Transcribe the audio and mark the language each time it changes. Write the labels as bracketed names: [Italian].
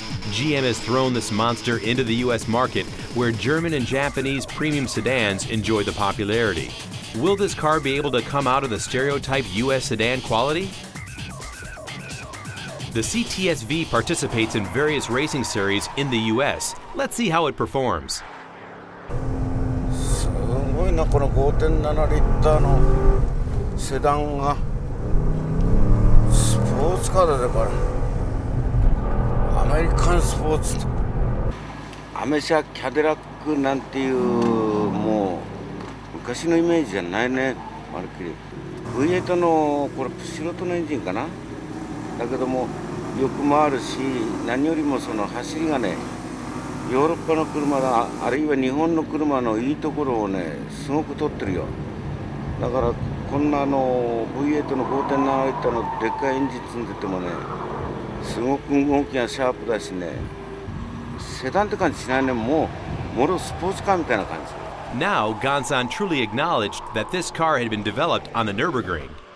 [English] GM has thrown this monster into the US market where German and Japanese premium sedans enjoy the popularity. Will this car be able to come out of the stereotype US sedan quality? The CTS-V participates in various racing series in the U.S. Let's see how it performs. [Japanese] すごいな、この 5.7 リッターのセダンがスポーツカーだぜ、これアメリカンスポーツ。アメ車キャデラックなんていう、もう昔のイメージじゃないね、まるっきり。 V8 のこれ、素人のエンジンかな。だけどもよく回るし、何よりもその走りがね、ヨーロッパの車だ、あるいは日本の車のいいところをね、すごく取ってるよ。だからこんなの V8 の 5.7 リッターのでっかいエンジン積んでてもね、すごく動きがシャープだしね、セダンって感じしないね。もうもろスポーツカーみたいな感じ。 [English] Now, Gansan truly acknowledged that this car had been developed on the Nürburgring.